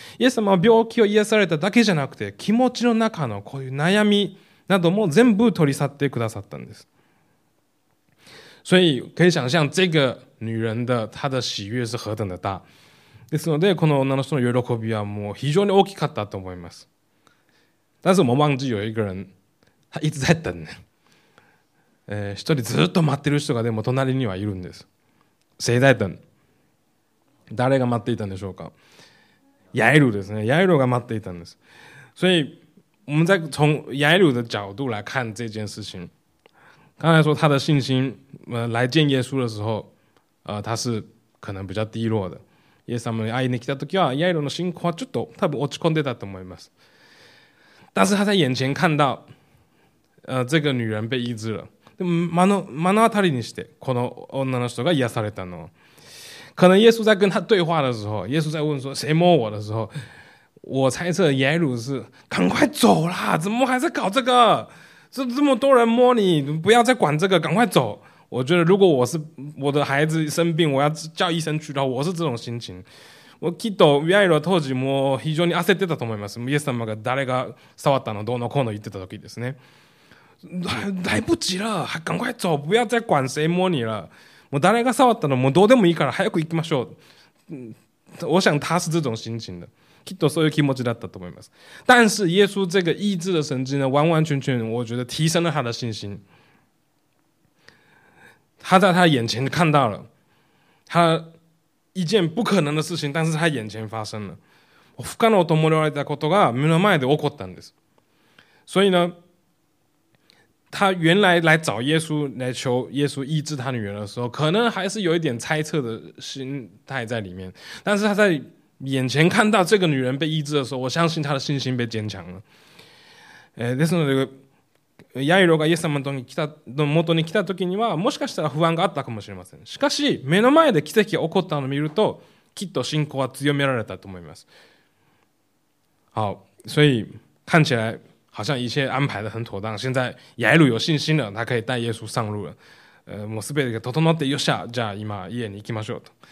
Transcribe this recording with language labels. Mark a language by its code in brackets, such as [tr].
[ja] イエス様は病気を癒されただけじゃなくて、気持ちの中のこういう悩みなども全部取り去ってくださったんです。 [zh] 所以可以想象这个女人的她的喜悦是何等的大。 [ja] ですのでこの女の人の喜びはもう非常に大きかったと思います。 [zh] 但是我们忘记有一个人，他一直在等呢。 [ja] 一人ずっと待ってる人がでも隣にはいるんです。 [zh] 谁在等？ [ja] 誰が待っていたんでしょうか？ヤエルですね。ヤエルが待っていたんです。 [zh] 所以我们再从ヤエル的角度来看这件事情。刚才说他的信心，来见耶稣的时候，他是可能比较低落的。 [ja] イエス様に会いに来た時はヤエルの信仰はちょっと多分落ち込んでたと思います。 [zh] 但是他在眼前看到，这个女人被医治了。 [ja] でも目の当たりにしてこの女の人が癒されたの。 [zh] 可能イエス在跟他对话的时候，耶稣在问说谁摸我的时候，我猜测ヤエル是赶快走啦，怎么还在搞这个？这么多人摸你，不要再管这个，赶快走。我觉得如果我是我的孩子生病，我要叫医生去的话，我是这种心情。 [ja] 我きっとヤエル当時も非常に焦ってたと思います。イエス様が誰が触ったのどうのこうの言ってた時ですね。 [zh] 来不及了，赶快走，不要再管谁摸你了。 [ja] もう誰が触ったのもうどうでもいいから早く行きましょう。 [zh] 我想他是这种心情的。 [ja] きっとそういう気持ちだったと思います。 [zh] 但是耶稣这个医治的神迹呢，完完全全我觉得提升了他的信心。他在他眼前看到了，他一件不可能的事情，但是他眼前发生了。 [ja] 不可能と思われたことが目の前で起こったんです。 [zh] 所以呢，他原来来找耶稣来求耶稣医治他女儿的时候，可能还是有一点猜测的心态在里面，但是他在眼前看到这个女人被医治的时候，我相信她的信心被坚强了。 [ja] ですので、ヤイロがイエス様の元に来た時には、もしかしたら不安があったかもしれません。しかし、目の前で奇跡が起こったのを見ると、きっと信仰は強められたと思います。 [zh] 好、所以、看起来、好像一切安排得很妥当。现在、ヤイロ有信心了、他可以带耶稣上路了。 [ja] もうすべてが整ってよっしゃ、じゃあ今家に行きましょうと。